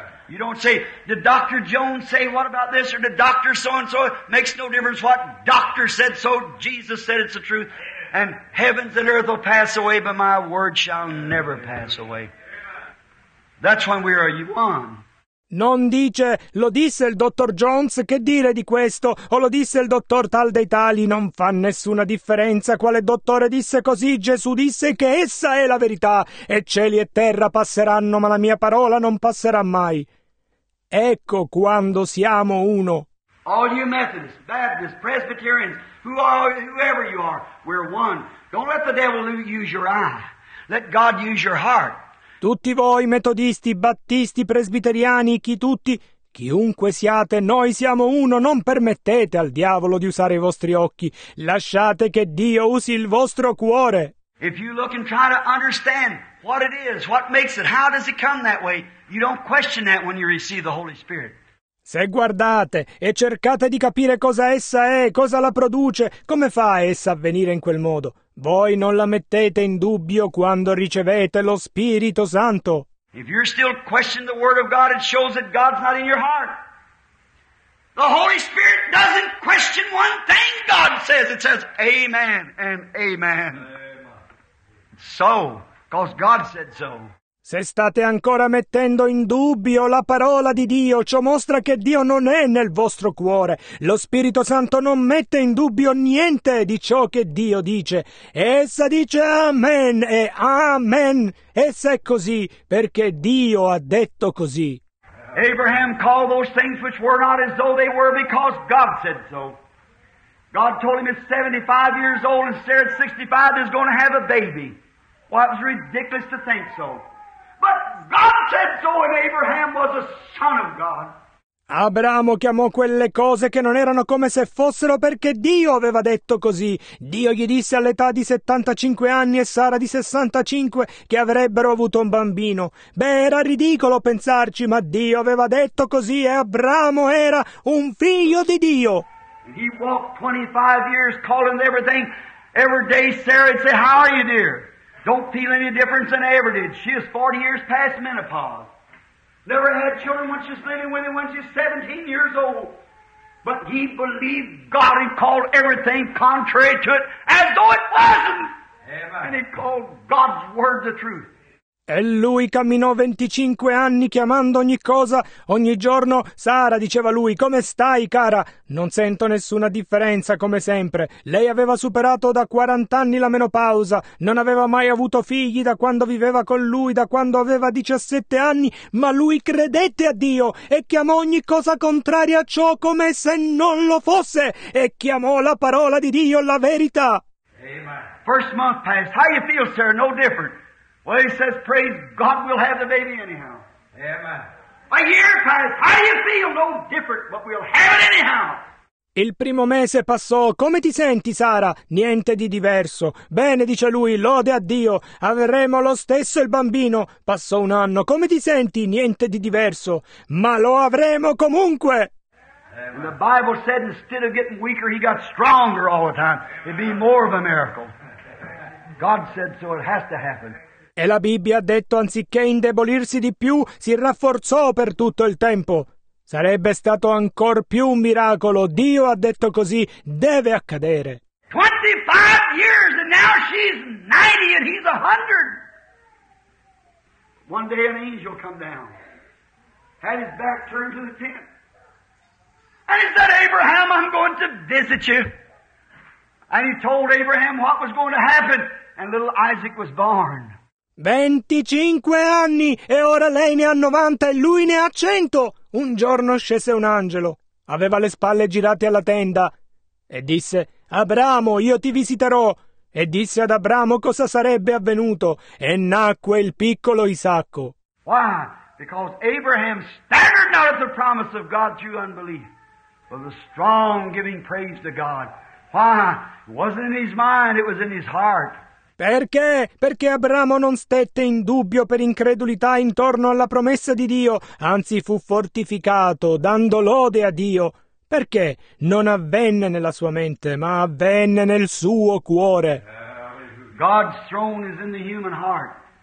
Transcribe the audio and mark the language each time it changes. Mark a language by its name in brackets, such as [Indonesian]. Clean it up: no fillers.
[English] You don't say, did Dr. Jones say what about this, or did Dr. So-and-so, it makes no difference what doctor said, so Jesus said it's the truth, and heavens and earth will pass away, but my word shall never pass away. That's when we are one. [Italian] Non dice, lo disse il dottor Jones, che dire di questo, o lo disse il dottor tal dei tali, non fa nessuna differenza, quale dottore disse così, Gesù disse che essa è la verità, e cieli e terra passeranno, ma la mia parola non passerà mai. Ecco quando siamo uno. [English] All you Methodists, Baptists, Presbyterians, whoever you are, we're one. Don't let the devil use your eye, let God use your heart. [Italian] Tutti voi, metodisti, battisti, presbiteriani, chiunque siate, noi siamo uno, non permettete al diavolo di usare i vostri occhi, lasciate che Dio usi il vostro cuore. [English] If you look and try to understand what it is, what makes it, how does it come that way, you don't question that when you receive the Holy Spirit. [Italian] Se guardate e cercate di capire cosa essa è, cosa la produce, come fa essa a venire in quel modo? Voi non la mettete in dubbio quando ricevete lo Spirito Santo. [English] If you're still questioning the Word of God, it shows that God's not in your heart. The Holy Spirit doesn't question one thing God says. It says, Amen and Amen. Amen. So, because God said so. [Italian] Se state ancora mettendo in dubbio la parola di Dio, ciò mostra che Dio non è nel vostro cuore. Lo Spirito Santo non mette in dubbio niente di ciò che Dio dice. Essa dice Amen e Amen. Essa è così perché Dio ha detto così. [English] Abraham called those things which were not as though they were because God said so. God told him he's 75 years old and said 65 is going to have a baby. Well, it was ridiculous to think so. God said so, and Abraham was a son of God. [Italian] Abramo chiamò quelle cose che non erano come se fossero perché Dio aveva detto così. Dio gli disse all'età di 75 anni e Sara di 65 che avrebbero avuto un bambino. Beh, era ridicolo pensarci, ma Dio aveva detto così e Abramo era un figlio di Dio. [English] He walked 25 years calling everything, every day Sarah and say, how are you, dear? Don't feel any difference than I ever did. She is 40 years past menopause. Never had children when she was living with him when she was 17 years old. But he believed God and called everything contrary to it as though it wasn't. Amen. And he called God's word the truth. [Italian] E lui camminò 25 anni chiamando ogni cosa, ogni giorno. Sara, diceva lui, come stai, cara? Non sento nessuna differenza, come sempre. Lei aveva superato da 40 anni la menopausa, non aveva mai avuto figli da quando viveva con lui, da quando aveva 17 anni, ma lui credette a Dio e chiamò ogni cosa contraria a ciò come se non lo fosse, e chiamò la parola di Dio la verità. [English] Amen. First month passed. How you feel, sir? No different. Well, he says, praise God, we'll have the baby anyhow. Amen. A year passed. How do you feel? No different, but we'll have it anyhow. [Italian] Il primo mese passò. Come ti senti, Sara? Niente di diverso. Bene, dice lui, lode a Dio. Avremo lo stesso il bambino. Passò un anno. Come ti senti? Niente di diverso. Ma lo avremo comunque. [English] And the Bible said instead of getting weaker, he got stronger all the time. It'd be more of a miracle. God said so, it has to happen. [Italian] E la Bibbia ha detto, anziché indebolirsi di più, si rafforzò per tutto il tempo. Sarebbe stato ancor più un miracolo. Dio ha detto così, deve accadere. [English] 25 years and now she's 90 and he's 100. One day an angel come down, had his back turned to the tent. And he said, Abraham, I'm going to visit you. And he told Abraham what was going to happen. And little Isaac was born. [Italian] 25 anni, e ora lei ne ha 90 e lui ne ha 100. Un giorno scese un angelo, aveva le spalle girate alla tenda, e disse, Abramo, io ti visiterò. E disse ad Abramo cosa sarebbe avvenuto, e nacque il piccolo Isacco. [English] Why? Because Abraham staggered not at the promise of God through unbelief, but the strong giving praise to God. Why? It wasn't in his mind, it was in his heart. [Italian] Perché? Perché Abramo non stette in dubbio per incredulità intorno alla promessa di Dio, anzi fu fortificato, dando lode a Dio. Perché? Non avvenne nella sua mente, ma avvenne nel suo cuore. [English] God's throne is in the human heart.